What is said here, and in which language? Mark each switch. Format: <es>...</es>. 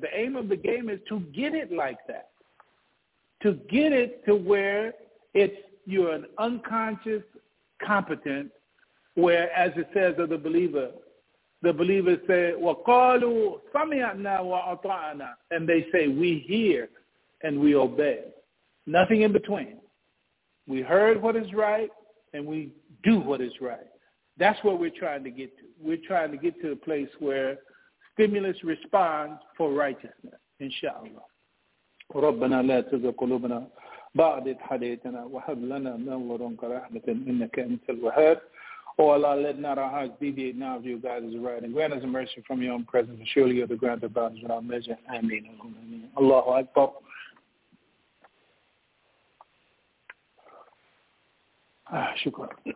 <en>The aim of the game is to get it like that, to get it to where it's you're an unconscious, competent, where, as it says of the believer say,</en> <ar>وَقَالُوا سَمِعْنَا وَأَطَعْنَا,</ar> <en>and they say, we hear and we obey. Nothing in between. We heard what is right and we do what is right. That's what we're trying to get to. We're trying to get to a place where stimulus responds for righteousness, inshallah.</en> <ar>رَبَّنَا لَا تَزِغْ قُلُوبَنَا بعد حديثنا وهب لنا من لدنك رحمة إنك أنت الوهاب.</ar> <en>Oh Allah, let not our hearts deviate now of your guidance, right, and grant us mercy from your own presence, and surely you're the grant of bounds without measure. Amen. Allahu Akbar.</en> <ar>Shukran.</ar>